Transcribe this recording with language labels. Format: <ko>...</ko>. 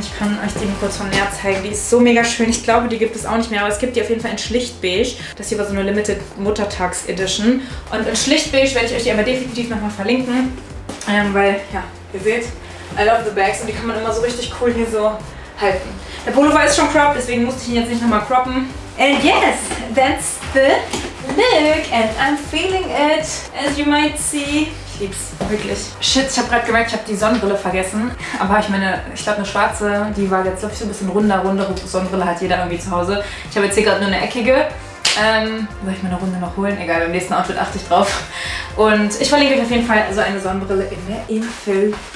<de>Ich kann euch die mal kurz von näher zeigen, die ist so mega schön. Ich glaube, die gibt es auch nicht mehr, aber es gibt die auf jeden Fall in Schlichtbeige. Das hier war so eine Limited Muttertags Edition. Und in Schlichtbeige werde ich euch die aber definitiv nochmal verlinken. Weil, ja, ihr seht,</de> <en>I love the bags</en> <de>und die kann man immer so richtig cool hier so halten. Der Pullover ist schon cropped, deswegen musste ich ihn jetzt nicht nochmal croppen.</de> <en>And yes, that's the look and I'm feeling it, as you might see.</en> <de>Ich lieb's, wirklich. Shit, ich habe gerade gemerkt, ich habe die Sonnenbrille vergessen. Aber ich meine, ich glaube eine schwarze, die war jetzt, glaube ich, so ein bisschen runder, rundere Sonnenbrille hat jeder irgendwie zu Hause. Ich habe jetzt hier gerade nur eine eckige. Soll ich mir eine Runde noch holen? Egal, beim nächsten Outfit achte ich drauf. Und ich verlinke euch auf jeden Fall so eine Sonnenbrille in der Infobox.</de>